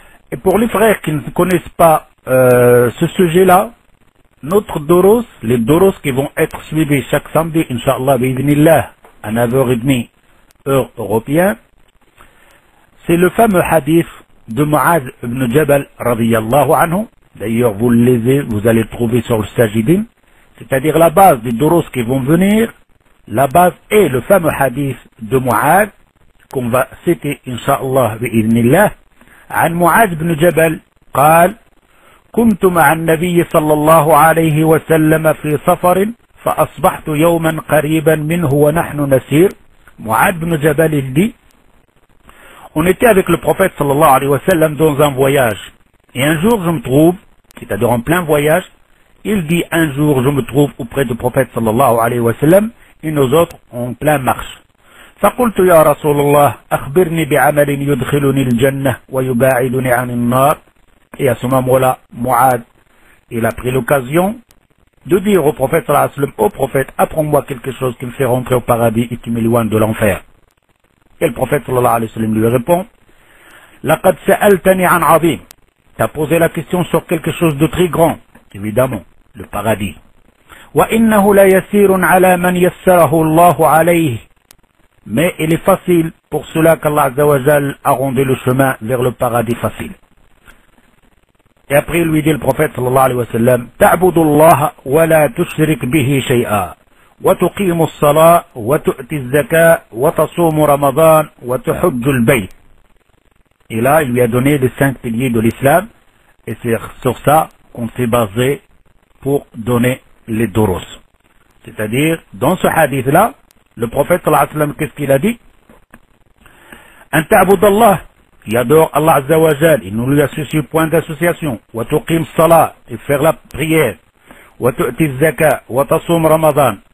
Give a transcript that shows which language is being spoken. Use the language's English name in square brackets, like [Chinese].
[French] Et pour les frères qui ne connaissent pas ce sujet-là, notre doros, les doros qui vont être suivis chaque samedi, Inch'Allah, bi'idhnillah, à 9h30, heure européenne, c'est le fameux hadith de Mu'adh ibn Jabal, radiyallahu anhu. D'ailleurs, vous le lisez, vous allez le trouver sur le Sajidin. C'est-à-dire la base des doros qui vont venir. La base est le fameux hadith de Mu'adh, qu'on va citer, Inch'Allah, bi'idhnillah. [Arabic] An Mu'adh ibn Jabal, قال, كنت مع النبي صلى الله عليه وسلم في صفر فأصبحت يوما قريبا منه ونحن نسير. [French] Mu'adh ibn Jabal dit, on était avec le prophète sallallahu alayhi wa sallam dans un voyage. Et un jour je me trouve, c'est-à-dire en plein voyage, il dit un jour je me trouve auprès du prophète sallallahu alayhi wa sallam et nous autres en plein marche. [Arabic] فَقُلْتُ يَا رَسُولَ اللَّهِ أَخْبِرْنِي بِعَمَلٍ يُدْخِلُنِي الْجَنَّةِ وَيُبَاعِدُنِي عَنِ النَّارِ. [French] Et à ce moment-là, Mu'adh, il a pris l'occasion de dire au prophète sallallahu alayhi wa sallam, ô prophète, apprends-moi quelque chose qui me fait rentrer au paradis et qui m'éloigne de l'enfer. Et le prophète sallallahu alayhi wa sallam lui répond, [Arabic] لَقَدْ سَأَلْتَنِي عَنْ عَظِيمٍ. [French] T'as posé la question sur quelque chose de très grand, évidemment, le paradis. [Arabic] وَإِنَّهُ لَيَسِيرٌ عَلَى مَنْ يَسَّرَهُ اللَّهُ عَلَيْهِ. [French] Mais il est facile pour cela qu'Allah azza wa jal a rendu le chemin vers le paradis facile. Et après lui dit le prophète sallallahu alayhi wa sallam, [Arabic] تَعْبُدُ اللَّهَ وَلَا تُشْرِكْ بِهِ شَيْئًا. وتقيم الصلاة وتؤتي الزكاة وتصوم رمضان وتحج البيت. [French] Et là, il lui a donné les cinq piliers de l'islam, et c'est sur ça qu'on s'est basé pour donner les durus. C'est-à-dire, dans ce hadith-là, le prophète sallallahu alayhi wa sallam, qu'est-ce qu'il a dit? [Arabic] أن تعبد الله, [French] il adore Allah Azza wa Jal, il ne lui associe point d'association, [Arabic] وتقيم الصلاة, [French] et faire la prière, [Arabic] وتؤتي الزكاة, وتصوم رمضان.